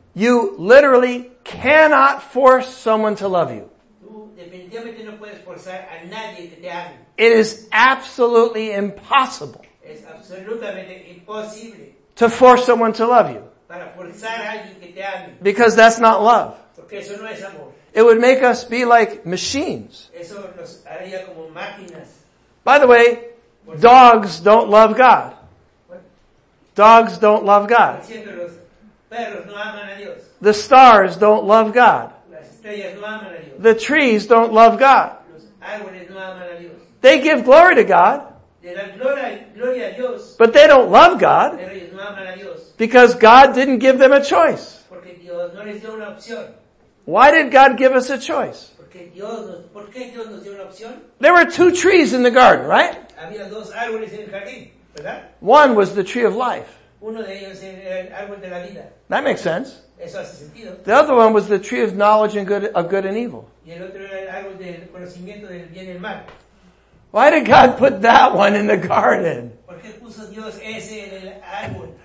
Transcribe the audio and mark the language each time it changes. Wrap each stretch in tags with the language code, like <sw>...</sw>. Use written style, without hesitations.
<en>You literally cannot force someone to love you.</en> <es>Tú definitivamente no puedes forzar a nadie que te ame.</es> <en>It is absolutely impossible.</en> <es>Es absolutamente imposible.</es> <en>To force someone to love you.</en> <es>Para forzar a alguien que te ame.</es> <en>Because that's not love.</en> <es>Porque eso no es amor.</es> <en>It would make us be like machines.</en> <es>Eso nos haría como máquinas.</es> <en>By the way, dogs don't love God. What? Dogs don't love God.</en> <es>Siempre los perros no aman a Dios.</es> <en>The stars don't love God.</en> <es>Las estrellas no aman a Dios.</es> <en>The trees don't love God.</en> <es>Los árboles no aman a Dios.</es> <en>They give glory to God.</en> <es>Gloria a Dios.</es> <en>But they don't love God.</en> <es>Pero ellos no aman a Dios.</es> <en>Because God didn't give them a choice.</en> <es>Porque Dios no les dio una opción.</es> <en>Why did God give us a choice?</en> <es>Porque Dios, ¿por qué Dios nos dio una opción?</es> <en>There were two trees in the garden, right?</en> <es>Había dos árboles en el jardín, ¿verdad?</es> <en>One was the tree of life.</en> <es>Uno de ellos era el árbol de la vida.</es> <en>That makes sense.</en> <es>Eso hace sentido.</es> <en>The other one was the tree of knowledge and good, of good and evil.</en> <es>Y el otro era el árbol del conocimiento del bien y el mal.</es> <en>Why did God put that one in the garden?</en> <es>¿Por qué puso Dios ese en el árbol?</es>